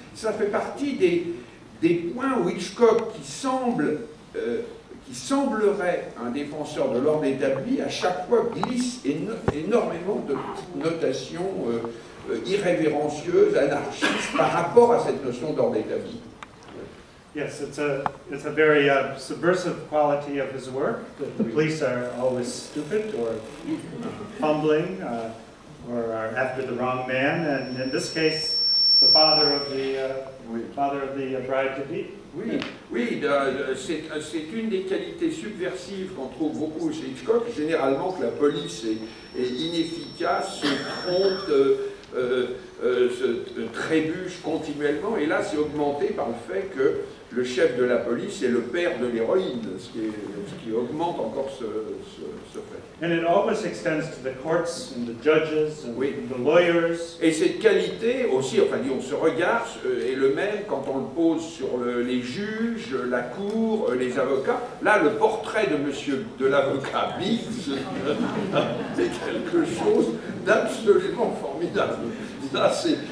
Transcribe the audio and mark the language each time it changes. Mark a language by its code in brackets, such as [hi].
[fr] Ça fait partie des points où Hitchcock, qui semblerait un défenseur de l'ordre établi, à chaque fois glisse énormément de notations. Irrévérencieuse, anarchiste, par rapport à cette notion d'ordre établi. [en] Yes, it's a very subversive quality of his work. The police are always stupid or fumbling or are after the wrong man. And in this case, the father of the father of the bride-to-be. [fr] Oui, oui, c'est une des qualités subversives qu'on trouve beaucoup chez Hitchcock. Généralement, que la police est inefficace, se trompe. Trébuche continuellement, et là c'est augmenté par le fait que le chef de la police est le père de l'héroïne, ce qui augmente encore ce fait. [en] And it always extends to the courts and the judges and the lawyers. [fr] Et cette qualité aussi, enfin disons, ce regard est le même quand on le pose sur les juges, la cour, les avocats. Là, le portrait de monsieur de l'avocat Biggs, c'est quelque chose d'absolument formidable. Ça, c'est